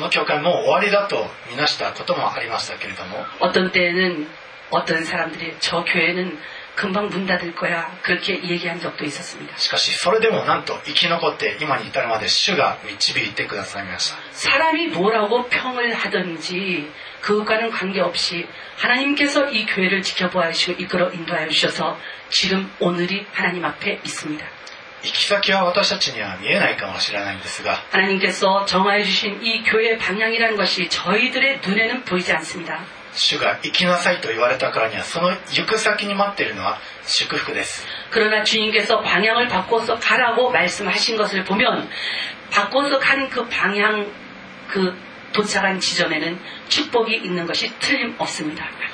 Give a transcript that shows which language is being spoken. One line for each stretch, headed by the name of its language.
Japanese: ある時はある人たちがこの教会もう終わりだとみなしたこともありましたけれども
Korean: 어떤 때에는 어떤 사람들이 저 교회는 금방 문 닫을 거야 그렇게 얘기한 적도 있었습니다.
Japanese: しかしそれでもなんと生き残って今に至るまで主が導いてくださいました。
Korean: 사람이 뭐라고 평을 하든지 그것과는 관계없이 하나님께서 이 교회를 지켜보아 주시고 이끌어 인도하여 주셔서 지금 오늘이 하나님 앞에 있습니다.
Japanese: 行き先は私たちには見えないかもしれないんですが
Korean: 하나님께서 정하여 주신 이 교회의 방향이라는 것이 저희들의 눈에는 보이지 않습니다. 주가
Japanese: 行きなさいと言われたからにはその行く先に待っているのは祝福です。
Korean: 그러나 주님께서 방향을 바꿔서 가라고 말씀하신 것을 보면 바꿔서 간 그 방향 그 도착한 지점에는 축복이 있는 것이 틀림없습니다.